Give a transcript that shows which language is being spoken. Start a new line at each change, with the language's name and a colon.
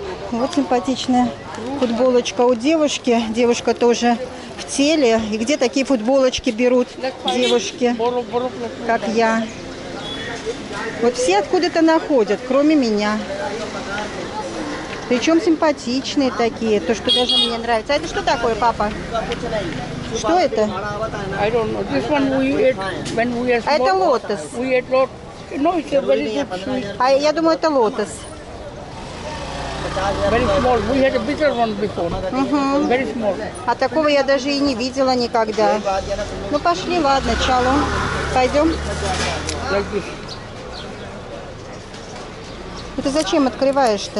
Russian: Вот симпатичная футболочка у девушки. Девушка тоже в теле. И где такие футболочки берут девушки, как я? Вот все откуда-то находят, кроме меня. Причем симпатичные такие, то, что даже мне нравится. А это что такое, папа? Что это?
English: I don't know. This one we eat when we are small.
Russian: Это лотос.
English: We eat lot. No, it's a very good sweet.
Russian: А я думаю, это лотос.
English: Very small. We had a bigger one before. Very small.
Russian: А такого я даже и не видела никогда. Ну пошли, ладно, чалу. Пойдем. Like ты зачем открываешь-то?